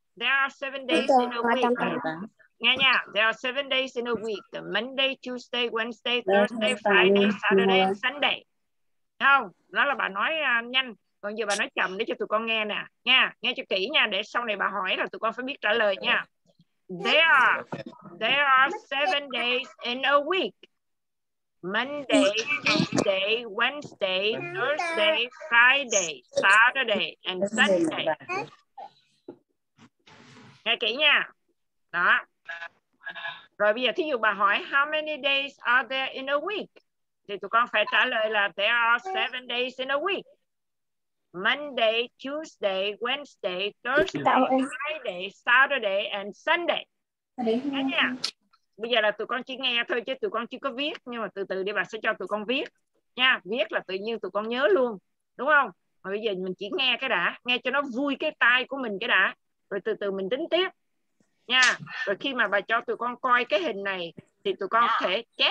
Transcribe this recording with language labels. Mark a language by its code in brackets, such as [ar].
[en] There are 7 days in a week. [vi] Nghe nha. [en] There are 7 days in a week. The Monday, Tuesday, Wednesday, Thursday, Friday, Saturday, Sunday. [vi] Không, đó là bà nói nhanh. Còn giờ bà nói chậm để cho tụi con nghe nè. Nha, nghe cho kỹ nha, để sau này bà hỏi là tụi con phải biết trả lời nha. [en] There are 7 days in a week. Monday, Tuesday, Wednesday, Thursday, Friday, Saturday, and Sunday. [vi] Nghe kỹ nha. Đó. Rồi bây giờ thí dụ bà hỏi [en] how many days are there in a week? [vi] Thì tụi con phải trả lời là [en] there are 7 days in a week. Monday, Tuesday, Wednesday, Thursday, Friday, Saturday, and Sunday. [vi] Bây giờ là tụi con chỉ nghe thôi chứ tụi con chưa có viết. Nhưng mà từ từ đi bà sẽ cho tụi con viết. Nha, viết là tự nhiên tụi con nhớ luôn. Đúng không? Rồi bây giờ mình chỉ nghe cái đã. Nghe cho nó vui cái tai của mình cái đã. Rồi từ từ mình tính tiếp. Nha. Rồi khi mà bà cho tụi con coi cái hình này thì tụi con thể chép.